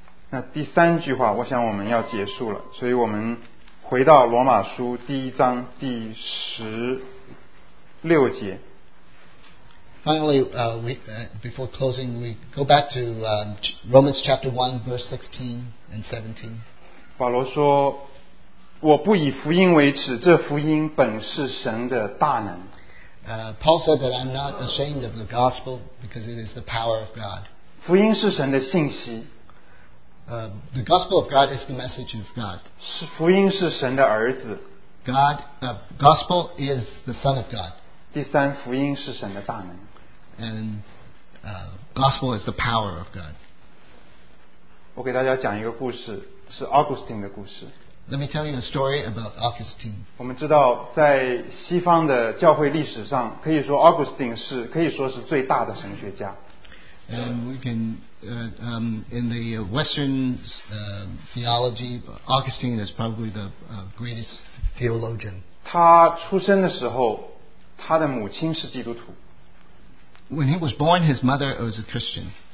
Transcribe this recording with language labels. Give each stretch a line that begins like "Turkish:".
Chinese: 那第三句话, 我想我们要结束了, 所以我们回到罗马书第一章第十六节。
English: Finally, before closing, we go back to Romans chapter 1, verse 16 and 17.
Chinese: 保罗说, 我不以福音为耻, 这福音本是神的大能。
English: Paul said that I'm not ashamed of the gospel because it is the power of God.
Chinese: 福音是神的信息。
English: The gospel of God is the message of God.
Chinese: 福音是神的儿子。
English: Gospel is the Son of God.
Chinese: 第三, 福音是神的大能。
English: And gospel is the power of God.
Chinese: 我给大家讲一个故事, 是Augustine的故事。
English: Let me tell you a story about Augustine.
Chinese: 我们知道在西方的教会历史上, 可以说 Augustine是, 可以说是最大的神学家。
English: And we can, in the Western theology, Augustine is probably the greatest theologian.
Chinese: 他出生的时候, 他的母亲是基督徒。
English: When he was born, his mother was a Christian.